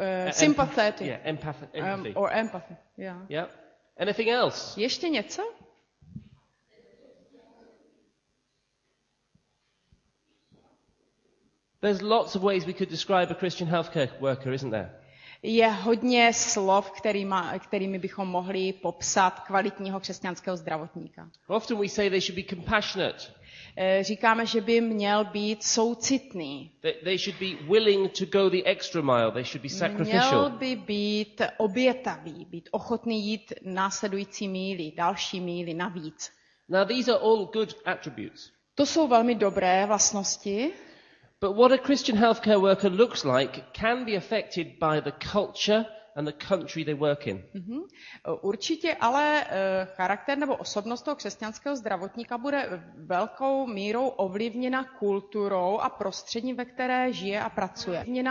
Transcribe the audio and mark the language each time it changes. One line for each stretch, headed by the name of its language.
English: Sympathetic. Yeah, empathy. Or empathy, yeah. Yeah. Anything else?
Czech: Ještě něco?
English: There's lots of ways we could describe a Christian healthcare worker, isn't there?
Czech: Je hodně slov, kterými bychom mohli popsat kvalitního křesťanského zdravotníka.
English: Often we say they should be compassionate.
Czech: Říkáme, že by měl být soucitný.
English: They should be willing to go the extra mile. They should be sacrificial.
Czech: Měl by být obětavý, být ochotný jít následující míli, další míli navíc.
English: Now these are all good attributes.
Czech: To jsou velmi dobré vlastnosti.
English: But what a Christian healthcare worker looks like can be affected by the culture and the country they work in.
Czech: Určitě ale charakter nebo osobnost toho křesťanského zdravotníka bude velkou mírou ovlivněna kulturou a prostředím, ve které žije a pracuje.